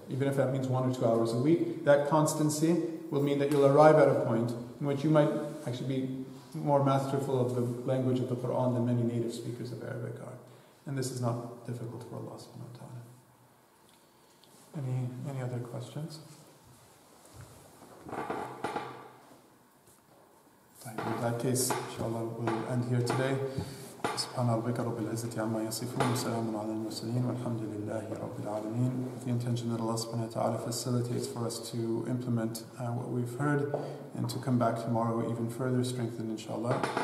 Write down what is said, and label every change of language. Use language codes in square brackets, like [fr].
[en] Even if that means 1 or 2 hours a week, that constancy will mean that you'll arrive at a point in which you might actually be more masterful of the language of the Quran than many native speakers of Arabic are. And this is not difficult for Allah subhanahu wa ta'ala. Any other questions? In that case, inshallah, we'll end here today. [ar] سبحان ربك رب العزة عما يصفون وسلام على المرسلين والحمد لله رب العالمين. [en] The intention that Allah subhanahu wa ta'ala facilitates for us to implement what we've heard and to come back tomorrow even further strengthened, inshallah.